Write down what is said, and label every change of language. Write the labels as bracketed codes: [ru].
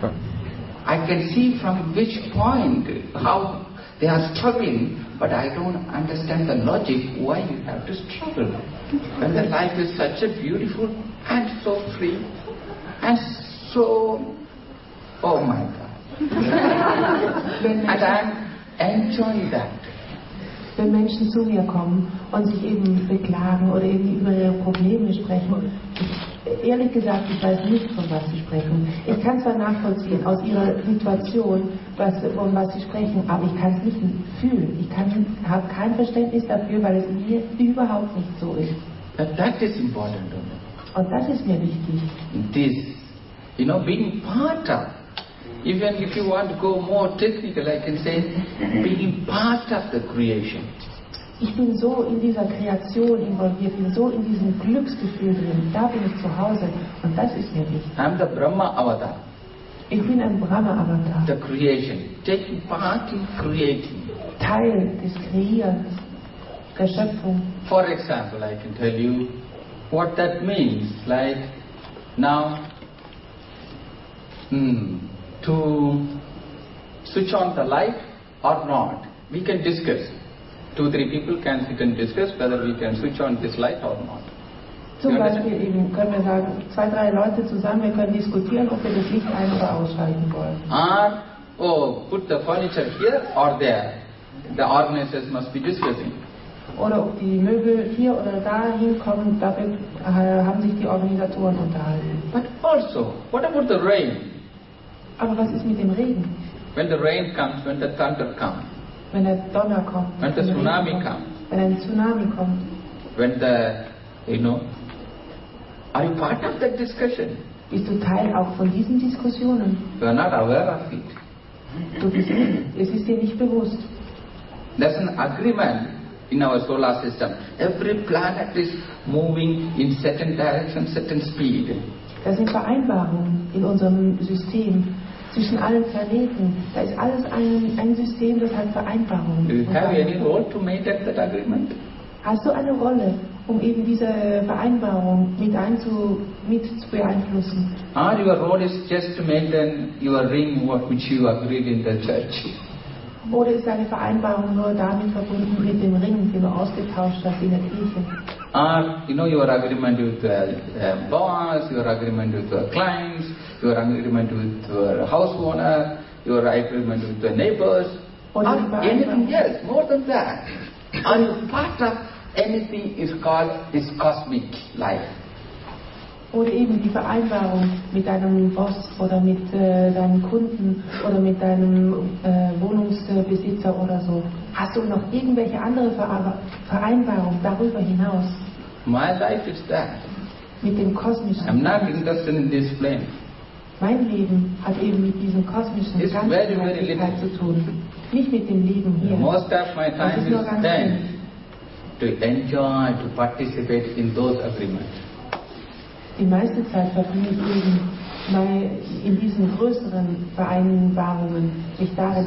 [en] I can see from which point how they are struggling, but I don't understand the logic why you have to struggle. When the life is such a beautiful and so free and so, oh my God. And I enjoy that. [de] Wenn Menschen zu mir kommen und sich eben beklagen oder eben über ihre Probleme sprechen, ehrlich gesagt, ich weiß nicht, von was sie sprechen. Ich kann zwar nachvollziehen aus ihrer Situation, von was sie sprechen, aber ich kann es nicht fühlen. Ich habe kein Verständnis dafür, weil es mir überhaupt nicht so ist. [en] But that is important. [de] Und das ist mir wichtig. [en] This, you know, being part of, even if you want to go more technical, I can say, being part of the creation. [de] Ich bin so in dieser Kreation involviert, bin so in diesem Glücksgefühl drin. Da bin ich zu Hause und das ist mir wichtig. [en] I'm the Brahma Avatar. [de] Ich bin ein Brahma Avatar. [en] The creation, taking part in creating. [de] Teil des Kreierens, der Schöpfung. [en] For example, I can tell you what that means. Like now, to switch on the light or not, we can discuss. Two, three people can sit and discuss whether we can switch on this light or not. [de] Zum Beispiel eben können wir sagen, zwei, drei Leute zusammen, wir können diskutieren, ob wir das Licht ein- oder ausschalten wollen. [en] Or, oh, put the furniture here or there. The organizers must be discussing. [de] Oder ob die Möbel hier oder da hinkommen, damit haben sich die Organisatoren unterhalten. [en] But also, what about the rain? [de] Aber was ist mit dem Regen? [en] When the rain comes, when the thunder comes. [de] Wenn der Donner kommt, [en] when the tsunami comes, [de] wenn ein Tsunami kommt, [en] when the, you know, Are you part of that discussion? [de] Bist du Teil auch von diesen Diskussionen? [en] You are not aware of it. [de] Du bist nicht, es ist dir nicht bewusst. [en] There's an agreement in our solar system. Every planet is moving in certain direction, certain speed. [de] Da sind Vereinbarungen in unserem System zwischen allen Planeten. Da ist alles ein System, das hat Vereinbarungen. [en] Do you have any role to make that agreement? [de] Hast du eine Rolle, um eben diese Vereinbarung mit zu beeinflussen? [en] Or your role is just to maintain your ring which you agreed in the church? [de] Oder ist deine Vereinbarung nur damit verbunden mit dem Ring, den du ausgetauscht hast in der Kirche? [en] Your agreement with the boss, your agreement with the clients, your agreement with the house owner, your agreement with the neighbors, or anything else, more than that. Are you part of anything is called this cosmic life? [de] Oder eben die Vereinbarung mit deinem Boss oder mit deinen Kunden oder mit deinem Wohnungsbesitzer oder so. Hast du noch irgendwelche andere Vereinbarungen darüber hinaus? [en] My life is that. [de] Mit dem kosmischen. [en] I'm not interested in this plane. [de] Mein Leben hat eben mit diesem kosmischen Ganzen zu tun. Nicht mit dem Leben hier. [en] Most of my time is spent to enjoy, to participate in those agreements. [de] Die meiste Zeit verbringe ich eben in diesen größeren Vereinbarungen, mich darin